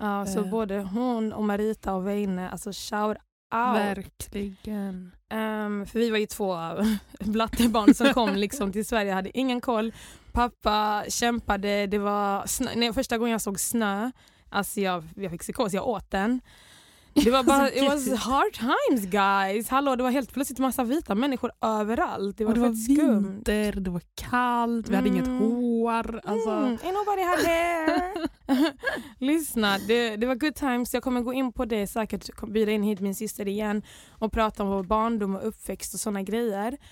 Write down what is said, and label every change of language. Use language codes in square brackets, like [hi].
[sv] Ja, så både hon och Marita och Veine, alltså shout out. Verkligen. För vi var ju två blattebarn som kom liksom till Sverige, hade ingen koll. Pappa kämpade, det var första gången jag såg snö, alltså jag fick psykos, jag åt den. Det var bara, [en] it was hard times guys. [sv] Hallå, det var helt plötsligt massa vita människor överallt. Det var det faktiskt skumt. Vinter, det var kallt, vi hade inget hår. Alltså. [en] Ain't nobody had hair. [sv] Lyssna, det var [en] good times. [sv] Jag kommer gå in på det säkert, bjuda in hit min syster igen och prata om vår barndom och uppväxt och såna grejer.